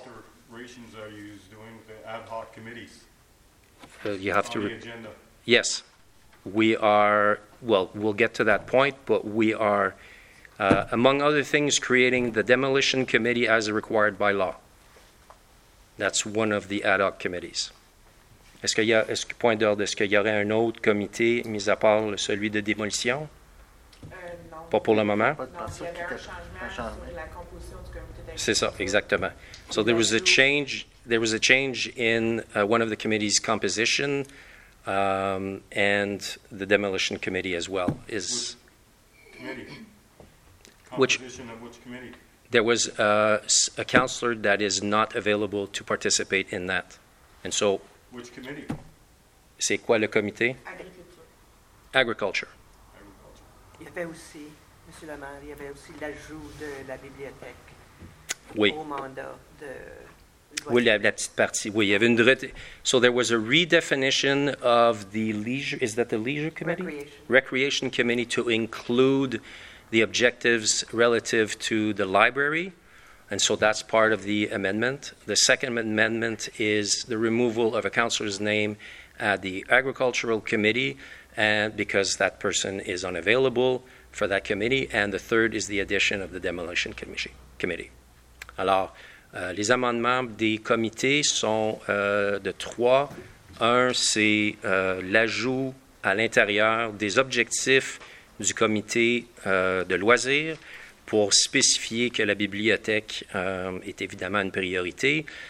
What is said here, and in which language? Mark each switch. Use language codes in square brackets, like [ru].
[en] alterations are you doing with the ad hoc committees? You have on to the agenda. Yes. We are, well, we'll get to that point, but we are, among other things, creating the demolition committee as required by law. That's one of the ad hoc committees. [fr] Est-ce qu'il y a, est-ce que, point d'ordre, est-ce qu'il y aurait un autre comité, mis à part celui de démolition? Non. Pas pour le moment? Non, il y avait un changement sur la composition du comité d'action. C'est ça, exactement. [en] So there was a change in one of the committee's composition, and the demolition committee as well is... Composition of which committee? There was a counselor that is not available to participate in that. And so... Which committee? [fr] C'est quoi le comité? [en] Agriculture. Agriculture. [fr] Il y avait aussi, M. Lamar, il y avait aussi l'ajout de la bibliothèque. Oui. Au mandat de... Oui, la, la petite partie. Oui, il y avait une... [en] So there was a redefinition of the leisure... Is that the leisure committee? Recreation. Recreation committee to include... the objectives relative to the library, and so that's part of the amendment. The second amendment is the removal of a counselor's name at the agricultural committee, and because that person is unavailable for that committee, and the third is the addition of the demolition committee. [fr] Alors, les amendements des comités sont de trois. Un, c'est l'ajout à l'intérieur des objectifs du comité de loisirs pour spécifier que la bibliothèque est évidemment une priorité.